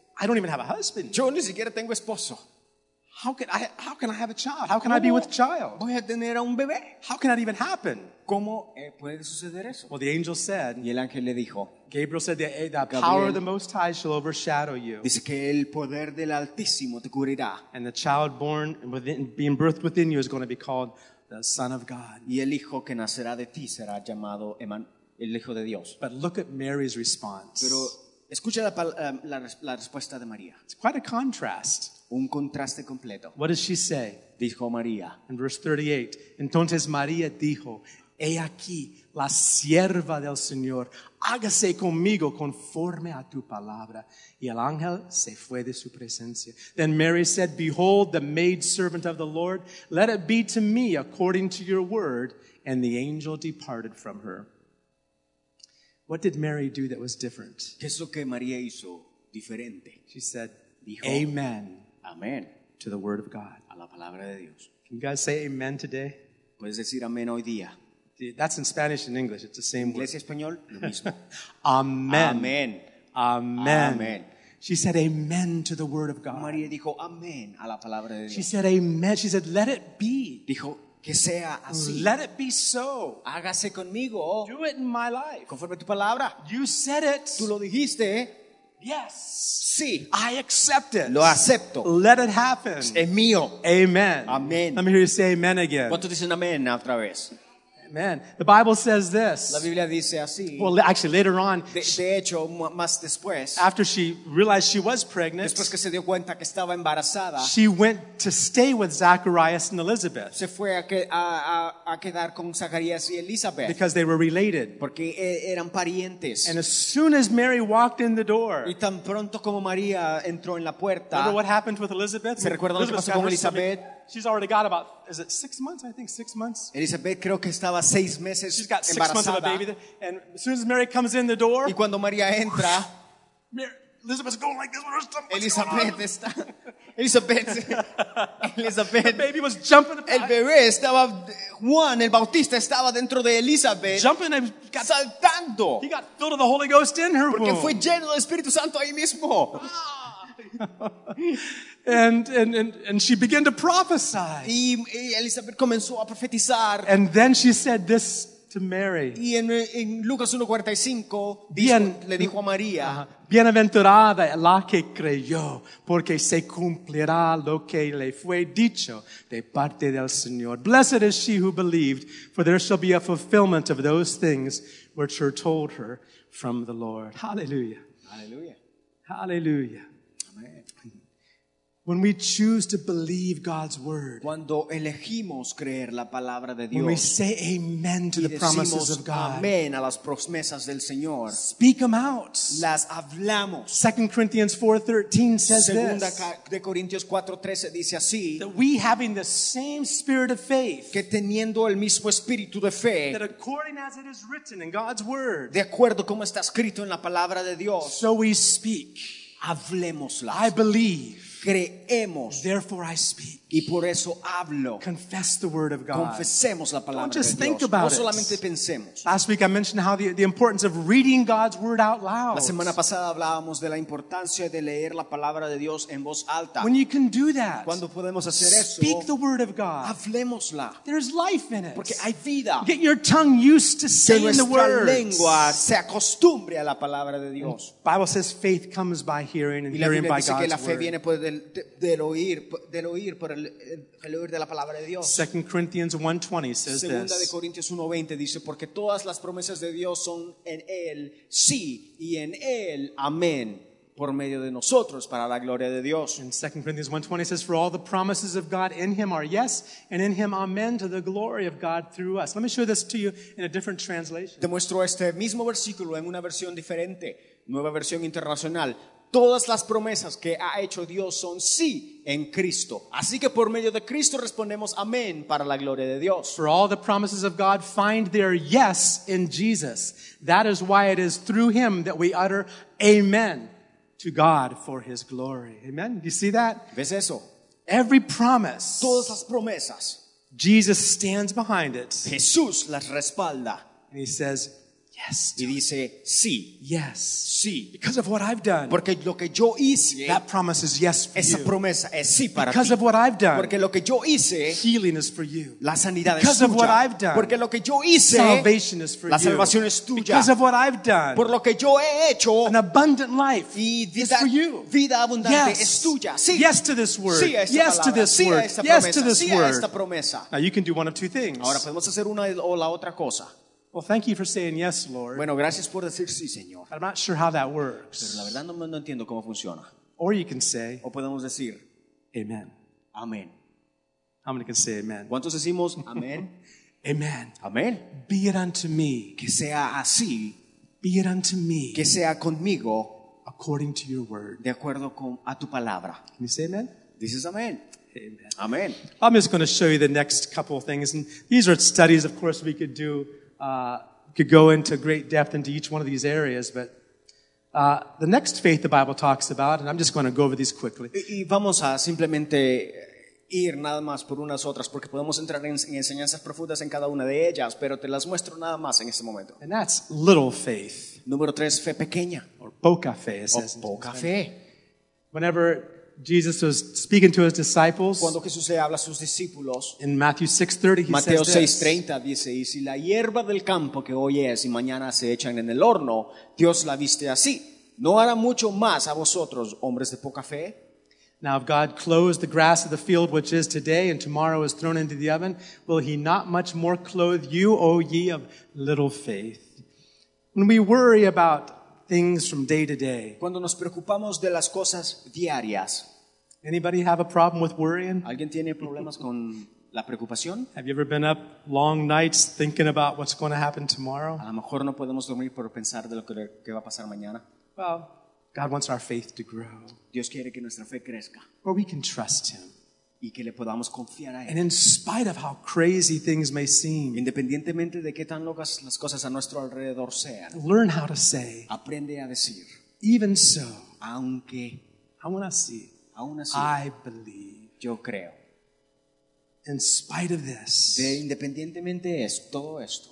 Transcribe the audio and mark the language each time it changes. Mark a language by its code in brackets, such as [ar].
[en] I don't even have a husband. [es] Yo ni siquiera tengo esposo. [en] How can I have a child? How can I be with child? [es] Voy a tener a un bebé. [en] How can that even happen? [es] ¿Cómo puede suceder eso? [en] Well, the angel said, [es] y el ángel le dijo, [en] Gabriel said, the power of the Most High shall overshadow you. [es] Dice que el poder del Altísimo te cubrirá. [en] And the child born being birthed within you is going to be called the Son of God. [es] Y el hijo que nacerá de ti será llamado el Hijo de Dios. [en] But look at Mary's response. [es] Pero escucha la respuesta de María. [en] It's quite a contrast. [es] Un contraste completo. [en] What does she say? [es] Dijo María. [en] In verse 38, [es] entonces María dijo, he aquí la sierva del Señor, hágase conmigo conforme a tu palabra. Y el ángel se fue de su presencia. [en] Then Mary said, behold, the maidservant of the Lord, let it be to me according to your word. And the angel departed from her. What did Mary do that was different? [es] ¿Qué es lo que María hizo diferente? [en] She said, [es] dijo, amen, amen [en] to the word of God. [es] A la palabra de Dios. [en] Can you guys say amen today? [es] ¿Puedes decir amen hoy día? [en] That's in Spanish and English. It's the same [es] inglés [en] word. [es] Y español, lo mismo. Amen. Amen. Amen. Amen. [en] She said amen to the word of God. [es] María dijo amen a la palabra de Dios. [en] She said amen. She said, let it be. [es] Dijo, que sea así. [en] Let it be so. [es] Hágase conmigo. [en] Do it in my life. [es] Conforme a tu palabra. [en] You said it. [es] Tú lo dijiste. [en] Yes. [es] Sí. [en] I accept it. [es] Lo acepto. [en] Let it happen. [es] Es mío. Amen. Amen. [en] Let me hear you say amen again. [es] ¿Cuánto dicen amén otra vez? [en] Amen. The Bible says this. [es] La Biblia dice así. [en] Well, actually, later on. [es] De hecho, más después. [en] After she realized she was pregnant. [es] Después que se dio cuenta que estaba embarazada. [en] She went to stay with Zacharias and Elizabeth. [es] Se fue a quedar con Zacarías y Elizabeth. [en] Because they were related. [es] Porque eran parientes. [en] And as soon as Mary walked in the door. [es] Y tan pronto como María entró en la puerta. [en] Remember what happened with Elizabeth? [es] ¿Se recuerdan lo que pasó con Elizabeth? [en] She's already got about, is it 6 months? I think 6 months. [es] Elizabeth creo que estaba 6 meses. [en] She's got six [es] embarazada. [en] Months of a baby. There. And as soon as Mary comes in the door, [es] y cuando María entra, [en] Elizabeth's going like this. What's going on? [es] Elizabeth está. Elizabeth. Elizabeth. [en] The baby was jumping. [es] El bebé estaba. Juan el Bautista estaba dentro de Elizabeth. [en] Jumping and got, [es] saltando. [en] He got filled with the Holy Ghost in her [es] porque [en] womb. [es] Porque fue lleno del Espíritu Santo ahí mismo. [en] Ah. And she began to prophesy. [es] Y Elizabeth comenzó a profetizar. [en] And then she said this to Mary. [es] Y en Lucas 1:45 bien, le dijo a María, bienaventurada la que creyó, porque se cumplirá lo que le fue dicho de parte del Señor. [en] Blessed is she who believed, for there shall be a fulfillment of those things which were told her from the Lord. Hallelujah. Hallelujah. Hallelujah. Amen. When we choose to believe God's word, [es] cuando elegimos creer la palabra de Dios, [en] when we say amen to the promises of God, [es] amen a las promesas del Señor, [en] speak them out. [es] Las hablamos. [en] 2 Corinthians 4:13 says this. [es] Segunda de Corintios 4:13 dice así. [en] That we having the same spirit of faith, [es] que teniendo el mismo espíritu de fe, [en] that according as it is written in God's word, [es] de acuerdo como está escrito en la palabra de Dios, [en] so we speak. [es] Hablemosla. [en] I believe. [es] Creemos. [en] Therefore I speak. [es] Y por eso hablo. [en] Confess the word of God. [es] Confesemos la palabra de Dios. [en] Don't just think about it. [es] No solamente pensemos. [en] Last week I mentioned how the importance of reading God's word out loud. [es] La semana pasada hablábamos de la importancia de leer la palabra de Dios en voz alta. [en] When you can do that, [es] cuando podemos hacer [en] speak [es] eso, [en] speak the word of God. [es] Hablemosla. [en] There's life in it. [es] Porque hay vida. [en] Get your tongue used to saying the words. [es] Que nuestra lengua se acostumbre a la palabra de Dios. [en] The Bible says faith comes by hearing and hearing by God's word. [es] Y la Biblia dice que la fe viene por del oír por el oír de la palabra de Dios. [en] 2 Corinthians 1:20 says this. [es] Segunda de Corintios 1:20 dice porque todas las promesas de Dios son en él sí y en él amén por medio de nosotros para la gloria de Dios. [en] And 2 Corinthians 1:20 says for all the promises of God in him are yes and in him amen to the glory of God through us. Let me show this to you in a different translation. [es] Te muestro este mismo versículo en una versión diferente, Nueva Versión Internacional. Todas las promesas que ha hecho Dios son sí en Cristo. Así que por medio de Cristo respondemos amén para la gloria de Dios. [en] For all the promises of God find their yes in Jesus. That is why it is through him that we utter amen to God for his glory. Amen. You see that? [es] ¿Ves eso? [en] Every promise. [es] Todas las promesas. [en] Jesus stands behind it. [es] Jesús las respalda. [en] And he says, yes. [es] Y dice, sí. [en] Yes. [es] Sí. [en] Because of what I've done. [es] Porque lo que yo hice. [en] That promise is yes for [es] esa [en] you. [es] Esa promesa es sí para [en] because [es] ti. [en] Of what I've done. [es] Porque lo que yo hice. [en] Healing is for you. [es] La sanidad [en] because [es] es tuya. [en] Because of what I've done. [es] Porque lo que yo hice. [en] Salvation is for [es] la salvación [en] you. [es] Es tuya. [en] Because of what I've done. [es] Por lo que yo he hecho. [en] An abundant life [es] y vida, [en] is for you. [es] Vida abundante [en] yes. [es] Es tuya. Sí. [en] Yes to this word. [es] Sí a esta [en] yes [es] palabra. [en] To this [es] sí [en] word. [es] A esta [en] yes [es] promesa. [en] To this [es] sí [en] word. [es] A esta promesa. [en] Now you can do one of two things. [es] Ahora podemos hacer una o la otra cosa. [en] Well, thank you for saying yes, Lord. [es] Bueno, gracias por decir sí, Señor. [en] I'm not sure how that works. [es] Pero la verdad no entiendo cómo funciona. [en] Or you can say, [es] o podemos decir, amen. Amen. [en] How many can say amen? [es] ¿Cuántos decimos amen? Amen. Amen. [en] Be it unto me. [es] Que sea así. [en] Be it unto me. [es] Que sea conmigo. [en] According to your word. [es] De acuerdo con a tu palabra. [en] Can you say amen? [es] Dices amen. Amen. Amen. [en] I'm just going to show you the next couple of things. And these are studies, of course, we could do. Could go into great depth into each one of these areas, but the next faith the Bible talks about, and I'm just going to go over these quickly. [es] Y vamos a simplemente ir nada más por unas otras, porque podemos entrar en enseñanzas profundas en cada una de ellas, pero te las muestro nada más en este momento. [en] And that's little faith. [es] Número tres, fe pequeña. [en] Or [es] poca fe, [en] it says. [es] O poca fe. [en] Whenever Jesus was speaking to his disciples. [es] Cuando Jesús habla a sus discípulos. [en] In Matthew 6:30 he [es] Mateo [en] says [es] 6:30 dice, y si la hierba del campo que hoy es y mañana se echan en el horno, Dios la viste así, ¿no hará mucho más a vosotros, hombres de poca fe? [en] Now if God clothes the grass of the field which is today and tomorrow is thrown into the oven, will he not much more clothe you, O ye of little faith? When we worry about things from day to day. [es] Cuando nos preocupamos de las cosas diarias. [en] Anybody have a problem with worrying? [es] ¿Alguien tiene problemas con la preocupación? [en] Have you ever been up long nights thinking about what's going to happen tomorrow? [es] A lo mejor no podemos dormir por pensar de lo que va a pasar mañana. [en] Well, God wants our faith to grow. [es] Dios quiere que nuestra fe crezca. [en] Or we can trust him. [es] Y que le podamos confiar a él. [en] And in spite of how crazy things may seem, [es] independientemente de qué tan locas las cosas a nuestro alrededor sean, [en] learn how to say, [es] aprende a decir, [en] even so, [es] aunque, aún así, [en] I believe, [es] yo creo, [en] in spite of this, [es] de independientemente de todo esto,